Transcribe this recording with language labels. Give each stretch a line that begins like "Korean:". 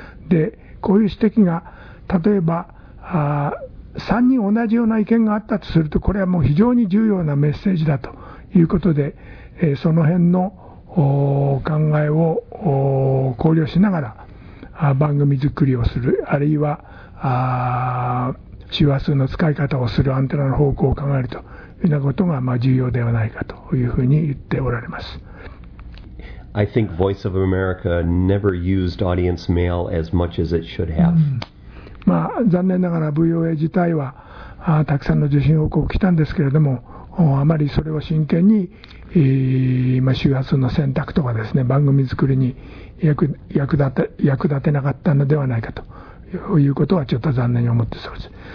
Japanese: で、こういう指摘が例えば3人同じような意見があったとすると、これはもう非常に重要なメッセージだということで、その辺の考えを考慮しながら番組作りをする、あるいは周波数の使い方をする、アンテナの方向を考えるとなことが重要ではないかというふうに言っておられます。
English: I think Voice of America never used audience mail as much as it should have.、
Japanese: まあ、残念ながら VOA 自体はたくさんの受信報告来たんですけれども、あまりそれを真剣に、まあ、周波数の選択とかですね、番組作りに 役立てなかったのではないかということはちょっと残念に思ってそうです。